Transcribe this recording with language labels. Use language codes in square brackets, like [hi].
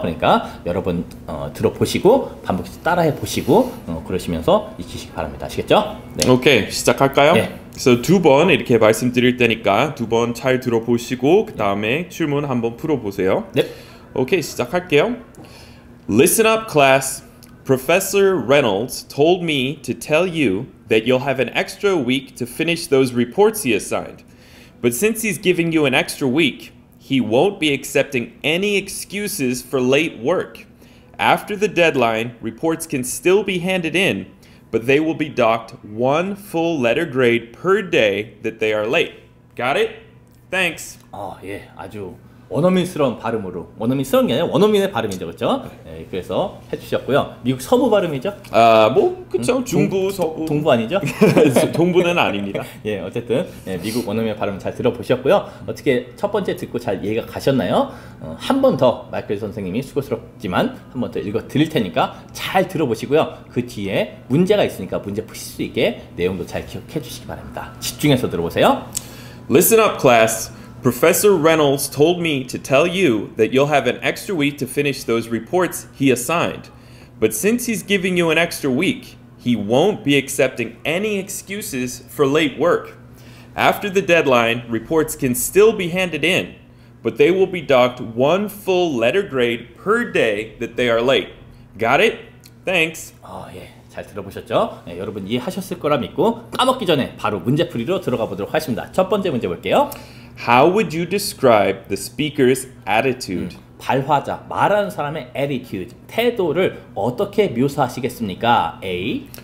[ko] 그러니까 여러분 들어보시고 반복해서 따라해 보시고 그러시면서 익히시기 바랍니다. 아시겠죠? 네. 오케이 시작할까요? 네. 그래서 두 번 이렇게 말씀드릴 테니까 두 번 잘 들어보시고 그 다음에 질문 한번 풀어보세요. 네. 오케이 시작할게요. [en] Listen up, class. Professor Reynolds told me to tell you that you'll have an extra week to finish those reports he assigned. But since he's giving you an extra week, he won't be accepting any excuses for late work. After the deadline, reports can still be handed in, but they will be docked one full letter grade per day that they are late. Got it? Thanks. [ko] 예, 아주 원어민스러운 발음으로. 원어민스러운 게 아니라 원어민의 발음이죠, 그렇죠? 네, 그래서 해주셨고요. 미국 서부 발음이죠? 아, 뭐, 그렇죠. 중부, 서부. 동부 아니죠? 동부는 아닙니다. 예, 어쨌든 예, 미국 원어민의 발음 잘 들어보셨고요. 어떻게 첫 번째 듣고 잘 이해가 가셨나요? 한 번 더 마이클 선생님이 수고스럽지만 한 번 더 읽어드릴 테니까 잘 들어보시고요. 그 뒤에 문제가 있으니까 문제 푸실 수 있게 내용도 잘 기억해 주시기 바랍니다. 집중해서 들어보세요. [en] Listen up, class. Professor Reynolds told me to tell you that you'll have an extra week to finish those reports he assigned. But since he's giving you an extra week, he won't be accepting any excuses for late work. After the deadline, reports can still be handed in, but they will be docked one full letter grade per day that they are late. Got it? Thanks. Oh, yeah. [ko] 잘 들어보셨죠? 네, 여러분 이해하셨을 거라 믿고 까먹기 전에 바로 문제풀이로 들어가 보도록 하겠습니다. 첫 번째 문제 볼게요. [en] How would you describe the speaker's attitude? [ko] 발화자, 말하는 사람의 attitude, 태도를 어떻게 묘사하시겠습니까? A.